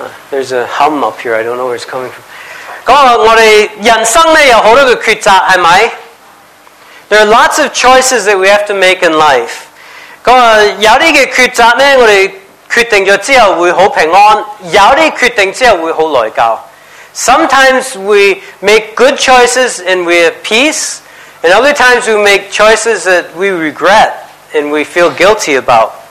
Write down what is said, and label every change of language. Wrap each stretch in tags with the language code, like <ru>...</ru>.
<en>There's a hum up here. I don't know where it's coming from.</en> <zh>我们人生有很多的抉择，是吗？</zh> <en>There are lots of choices that we have to make in life.</en> <zh>有些抉择，我们决定之后会很平安，有些决定之后会很内疚。</zh> <en>Sometimes we make good choices and we have peace, and other times we make choices that we regret and we feel guilty about.</en>